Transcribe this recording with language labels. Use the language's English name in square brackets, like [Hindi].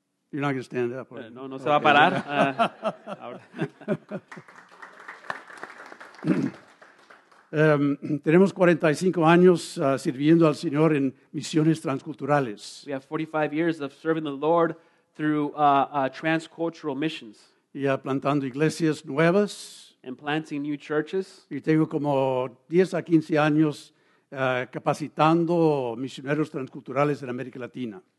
[English] You're not going to stand up. Or... [Spanish] No, se va a parar. Tenemos 45 años sirviendo al Señor en misiones transculturales. [English] We have 45 years of serving the Lord through transcultural missions. [Spanish] Y plantando iglesias nuevas. [English] And planting new churches. [Spanish] Y tengo como 10 a 15 años capacitando misioneros transculturales en América Latina.